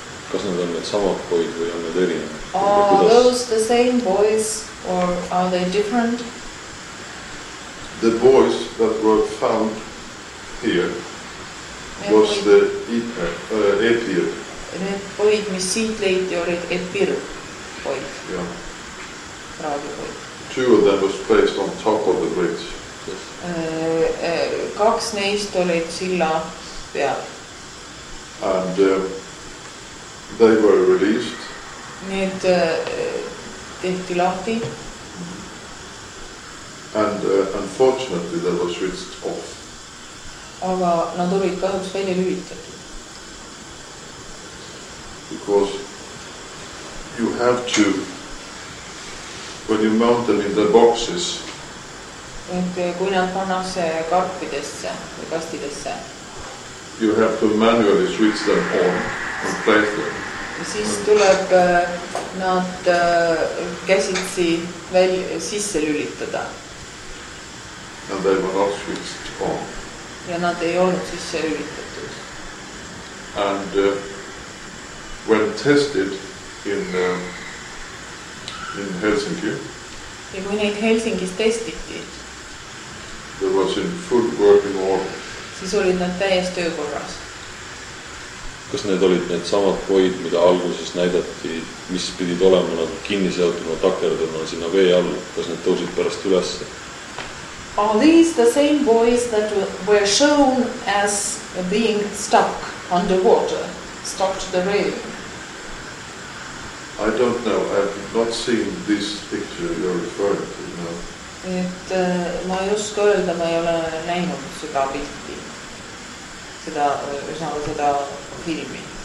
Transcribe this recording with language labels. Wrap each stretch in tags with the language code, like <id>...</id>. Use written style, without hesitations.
<et>Kas nad on need samad poid või on need erinevad?</et> <en>Are those the same boys or are they different? The boys that were found here was the EPIR.</en> <et>Need poid, mis siit leiti, olid EPIR poid.</et> <en>Yeah.</en> <et>Raadio poid.</et> <en>Two of them was placed on top of the bridge. Yes.</en> <et>Kaks neist olid silla peal.</et> <en>And they were released.</en> <et>Need tehti lahti.</et> <en>And unfortunately they were switched off.</en> <et>Aga nad olid kahjuks välja lülitatud.</et> <en>Because you have to, when you mount them in the boxes.</en> <et>Et kui nad pannakse karpidesse või kastidesse.</et> <en>You have to manually switch them on and place them.</en> <et>Ja siis tuleb nad käsitsi sisse lülitada.</et> <en>And they were not switched on.</en> <et>Ja nad ei olnud sisse üritatud.</et> <en>And when tested in Helsinki.</en> <et>Ja kui neid Helsingis testiti.</et> <en>They was in full working order.</en> <et>Siis olid nad täies töökorras. Kas need olid need samad poid, mida alguses näidati, mis pidid olema nad kinniseotuna takerduna sinna vee all? Kas need tõusid pärast üles?</et> <en>Are these the same boys that were shown as being stuck underwater, stuck to the railing? I don't know. I have not seen this picture you're referring to, no.</en> <et>Et ma ei oska öelda, ma ei ole näinud seda pilti, seda filmi.</et>